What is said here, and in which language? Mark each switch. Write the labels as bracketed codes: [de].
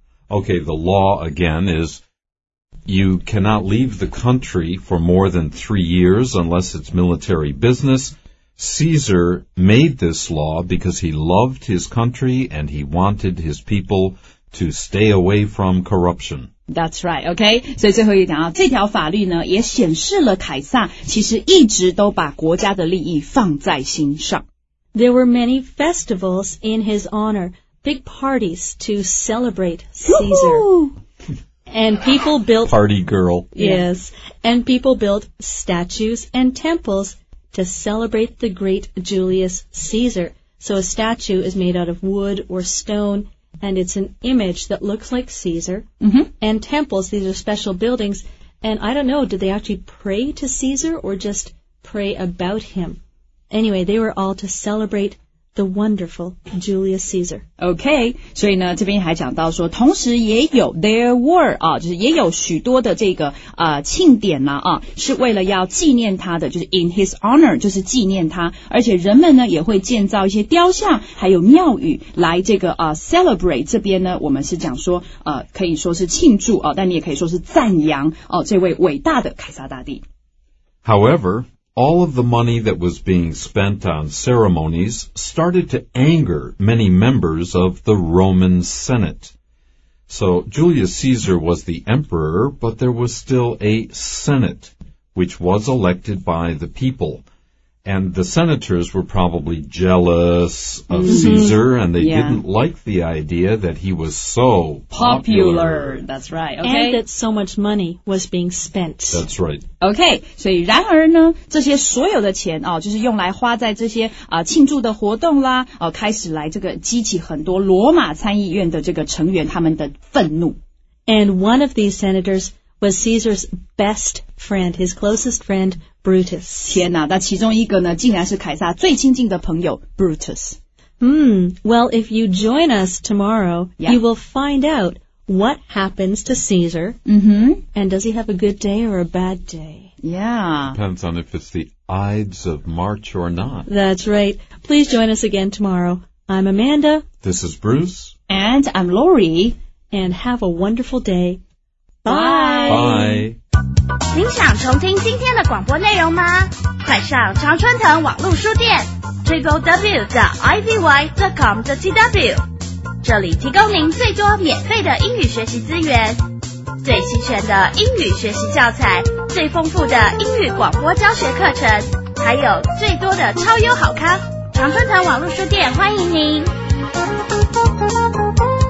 [en] Okay, the law again is. You cannot leave the country for more than 3 years unless it's military business. Caesar made this law because he loved his country and he wanted his people to stay away from corruption. That's right, okay? [zh] 所以最后一条，这条法律呢，也显示了凯撒其实一直都把国家的利益放在心上。 [en] There were many festivals in his honor, big parties to celebrate Caesar. Woo-hoo! And people built... Party girl. Yes. And people built statues and temples to celebrate the great Julius Caesar. So a statue is made out of wood or stone, and it's an image that looks like Caesar. Mm-hmm. And temples, these are special buildings. And I don't know, did they actually pray to Caesar or just pray about him? Anyway, they were all to celebrate... The wonderful Julius Caesar. [zh] Okay, 所以呢，这边还讲到说，同时也有 [en] there were [zh] 啊，就是也有许多的这个庆典呢 啊，是为了要纪念他的，就是 [en] in his honor， [zh] 就是纪念他。而且人们呢也会建造一些雕像，还有庙宇来这个celebrate 这边呢，我们是讲说可以说是庆祝啊，但你也可以说是赞扬哦，这位伟大的凯撒大帝。 [en] However. All of the money that was being spent on ceremonies started to anger many members of the Roman Senate. So Julius Caesar was the emperor, but there was still a Senate, which was elected by the people. And the senators were probably jealous of Caesar, and they didn't like the idea that he was so popular. That's right. Okay. And that so much money was being spent. That's right. Okay. [zh] 所以然而呢，这些所有的钱啊，就是用来花在这些庆祝的活动啦，开始来这个激起很多罗马参议院的这个成员他们的愤怒。 [en] And one of these senators was Caesar's best friend, his closest friend,Brutus. [zh] 天哪，那其中一个呢，竟然是凯撒最亲近的朋友 Brutus. [en] Well, if you join us tomorrow, you will find out what happens to Caesar. Mm-hmm. And does he have a good day or a bad day? Yeah. Depends on if it's the Ides of March or not. That's right. Please join us again tomorrow. I'm Amanda. This is Bruce. And I'm Lori. And have a wonderful day. Bye. Bye. [zh] 您想重听今天的广播内容吗？快上常春藤网络书店 www.ivy.com.tw 这里提供您最多免费的英语学习资源最齐全的英语学习教材最丰富的英语广播教学课程还有最多的超优好康常春藤网络书店欢迎您